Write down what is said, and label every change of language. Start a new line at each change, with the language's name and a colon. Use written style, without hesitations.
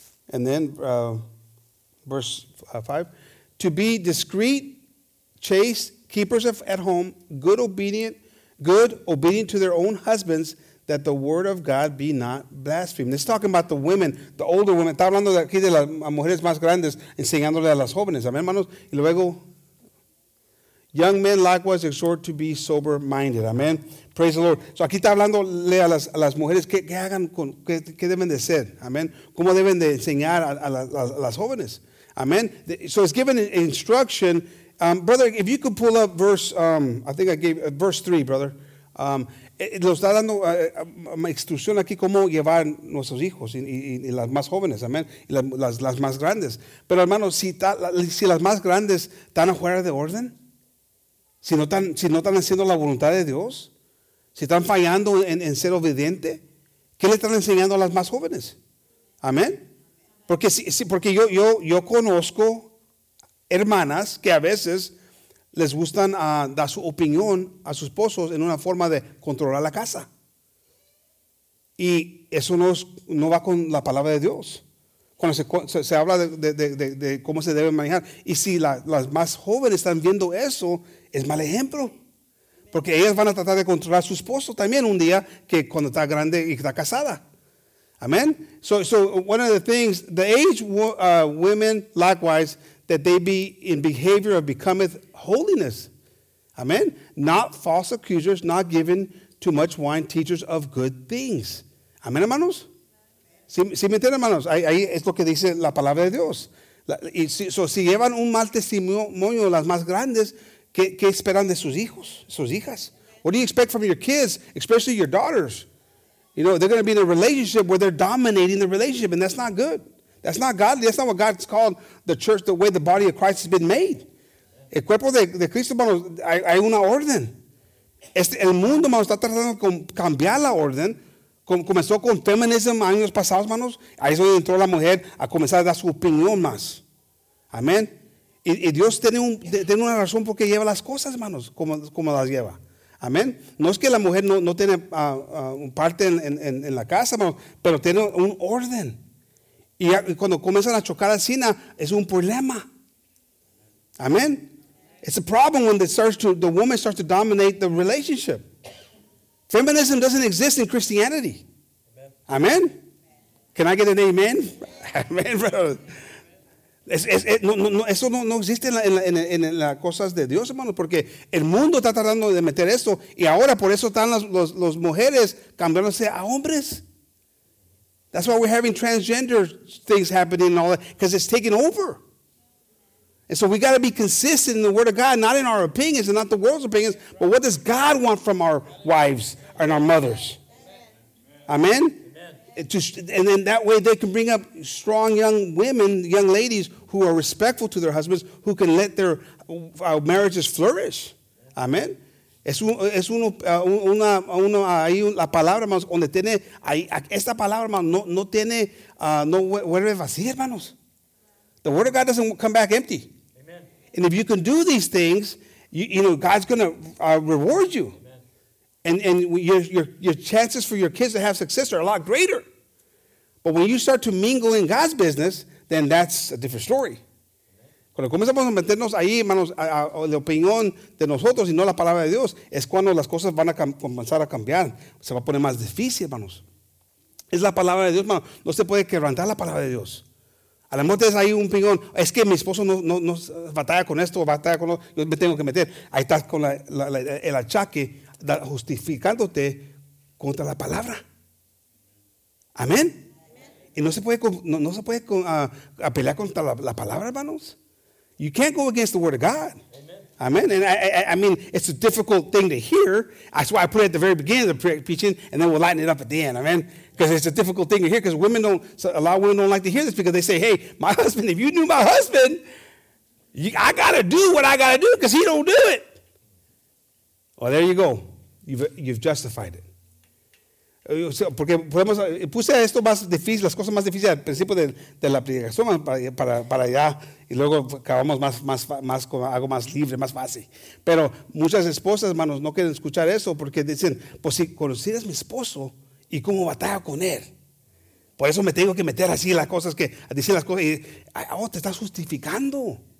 English: And then verse 5. To be discreet, chaste, keepers of at home, good, obedient to their own husbands, that the word of God be not blasphemed. It's talking about the women, the older women.
Spanish: Está hablando aquí de las mujeres más grandes, enseñándole a las jóvenes.
English: Amen,
Spanish: hermanos. Y luego,
English: young men likewise exhort to be sober-minded. Amen. Praise the Lord.
Spanish: So aquí está hablándole a las mujeres que hagan con qué deben de ser. Amen. Cómo deben de enseñar a las jóvenes. Amen.
English: So it's given instruction. Brother, if you could pull up verse 3, brother.
Spanish: Los está dando instrucción aquí cómo llevar nuestros hijos y las más jóvenes, amén, y las más grandes. Pero hermanos, si las más grandes están fuera de orden, si no están haciendo la voluntad de Dios, si están fallando en ser obediente, ¿qué le están enseñando a las más jóvenes? Amén. Porque porque yo conozco hermanas que a veces les gustan dar su opinión a sus esposos en una forma de controlar la casa. Y eso no va con la palabra de Dios. Cuando se habla de cómo se debe manejar. Y si las más jóvenes están viendo eso, es mal ejemplo. Porque ellas van a tratar de controlar a su esposo también un día que cuando está grande y está casada. Amén.
English: So one of the things, the age women likewise, that they be in behavior of becometh holiness. Amen. Not false accusers, not given too much wine, teachers of good things.
Spanish: Amen, hermanos. Si me entienden, hermanos, ahí es lo que dice la palabra de Dios. Si llevan un mal testimonio las más grandes, ¿qué esperan de sus hijos, sus hijas?
English: What do you expect from your kids, especially your daughters? You know, they're going to be in a relationship where they're dominating the relationship, and that's not good. That's not godly. That's not what God's called the church, the way the body of Christ has been made.
Spanish: El cuerpo de Cristo, hermanos, hay una orden. El mundo, hermanos, está tratando de cambiar la orden. Comenzó con feminismo años pasados, hermanos. Ahí es donde entró la mujer a comenzar a dar su opinión más. Amén. Y Dios tiene una razón por qué lleva las cosas, hermanos, como las lleva. Amén. No es que la mujer no tiene parte en la casa, hermanos, pero tiene un orden. Y cuando comienzan a chocar la cena, es un problema. Amén.
English: It's a problem when the woman starts to dominate the relationship. Feminism doesn't exist in Christianity. Amén. Can I get an amen? Amén, brother.
Spanish: Eso no existe en las cosas de Dios, hermano, porque el mundo está tratando de meter esto. Y ahora por eso están las mujeres cambiándose a hombres.
English: That's why we're having transgender things happening and all that, because it's taking over. And so we got to be consistent in the word of God, not in our opinions and not the world's opinions, but what does God want from our wives and our mothers? Amen? And then that way they can bring up strong young women, young ladies who are respectful to their husbands, who can let their marriages flourish. Amen?
Spanish: La palabra, hermanos, donde tiene, esta palabra, hermanos, no tiene, no vuelve vacía, hermanos.
English: The word of God doesn't come back empty. Amen. And if you can do these things, you know, God's going to reward you. Amen. And your chances for your kids to have success are a lot greater. But when you start to mingle in God's business, then that's a different story.
Spanish: Cuando comenzamos a meternos ahí, hermanos, a la opinión de nosotros y no la palabra de Dios, es cuando las cosas van a comenzar a cambiar. Se va a poner más difícil, hermanos. Es la palabra de Dios, hermanos. No se puede quebrantar la palabra de Dios. A la muerte es ahí un opinión. Es que mi esposo no batalla con esto, batalla con lo otro. Yo me tengo que meter. Ahí estás con el achaque justificándote contra la palabra. Amén. Y no se puede pelear contra la palabra, hermanos.
English: You can't go against the word of God.
Spanish: Amen.
English: And I mean, it's a difficult thing to hear. That's why I put it at the very beginning of the preaching, and then we'll lighten it up at the end. Amen. Because it's a difficult thing to hear, because women don't, so a lot of women don't like to hear this, because they say, hey, my husband, if you knew my husband, I got to do what I got to do because he don't do it. Well, there you go. You've justified it.
Spanish: Porque podemos, puse esto más difícil, las cosas más difíciles al principio de la predicación para allá, y luego acabamos más con algo más libre, más fácil. Pero muchas esposas, hermanos, no quieren escuchar eso porque dicen, pues si conocieras a mi esposo y cómo batalla con él, por eso me tengo que meter así en las cosas, que decir las cosas, y oh, te estás justificando.